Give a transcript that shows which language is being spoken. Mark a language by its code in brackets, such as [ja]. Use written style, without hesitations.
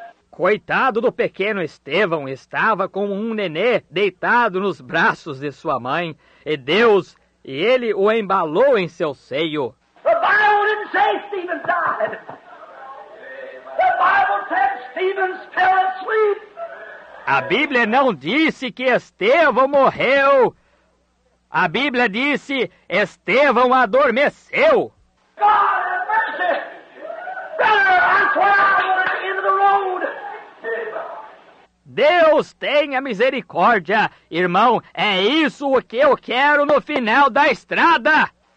[pt] Coitado do pequeno Estevão, estava como um nenê deitado nos braços de sua mãe. E Deus... E ele o embalou em seu seio. [en] The Bible didn't say Stephen died. The Bible said Stephen fell asleep. [pt] A Bíblia não disse que Estevão morreu. A Bíblia disse Estevão adormeceu. [en] God have mercy. Brother, I swear I'm at the end of the road. [pt] Deus tenha misericórdia, irmão. É isso o que eu quero no final da estrada.